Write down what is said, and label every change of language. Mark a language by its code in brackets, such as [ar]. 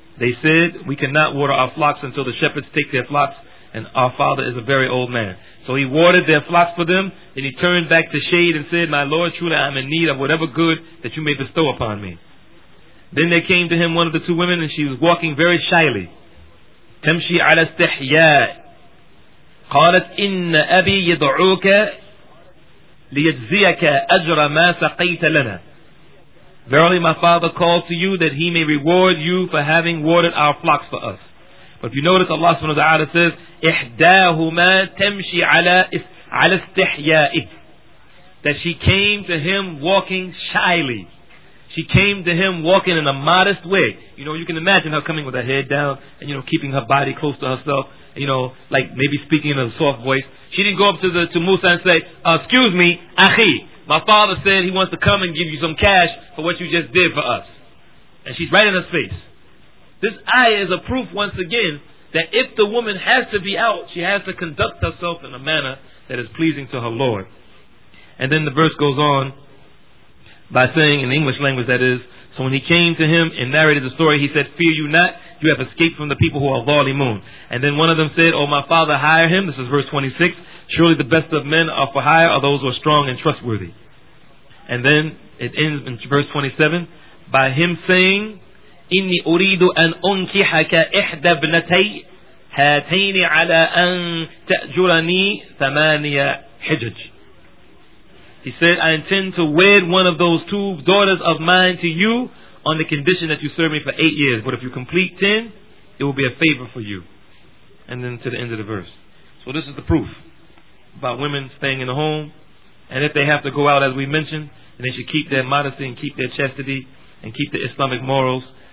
[en] They said, we cannot water our flocks until the shepherds take their flocks, and our father is a very old man. So he watered their flocks for them, and he turned back to shade and said, my Lord, truly I am in need of whatever good that you may bestow upon me. Then there came to him one of the two women, and she was walking very shyly. [ar] تمشي على استحياء قالت إن أبي يدعوك ليجزيك أجر ما سقيت لنا. [en] Verily my father called to you that he may reward you for having watered our flocks for us. But if you notice, Allah subhanahu wa ta'ala says [ar] إحداهما تمشي على استحياء, [en] that she came to him walking shyly. She came to him walking in a modest way. You know, you can imagine her coming with her head down and, you know, keeping her body close to herself, you know, like maybe speaking in a soft voice. She didn't go up to Musa and say, excuse me, Akhi, my father said he wants to come and give you some cash for what you just did for us. And she's right in his face. This ayah is a proof once again that if the woman has to be out, she has to conduct herself in a manner that is pleasing to her Lord. And then the verse goes on by saying, in the English language that is, so when he came to him and narrated the story, he said, fear you not, you have escaped from the people who are zalimun. And then one of them said, oh my father, hire him. This is verse 26. Surely the best of men are for hire are those who are strong and trustworthy. And then it ends in verse 27 by him saying, [ar] إِنِّي أُرِيدُ أَنْ أُنْكِحَكَ إِحْدَى ابْنَتَيْ هَاتَيْنِ عَلَىٰ أَنْ تَأْجُرَنِي ثَمَانِيَ حِجَجِ. [en] He said, I intend to wed one of those two daughters of mine to you on the condition that you serve me for 8 years. But if you complete 10, it will be a favor for you. And then to the end of the verse. So this is the proof about women staying in the home. And if they have to go out, as we mentioned, then they should keep their modesty and keep their chastity and keep the Islamic morals.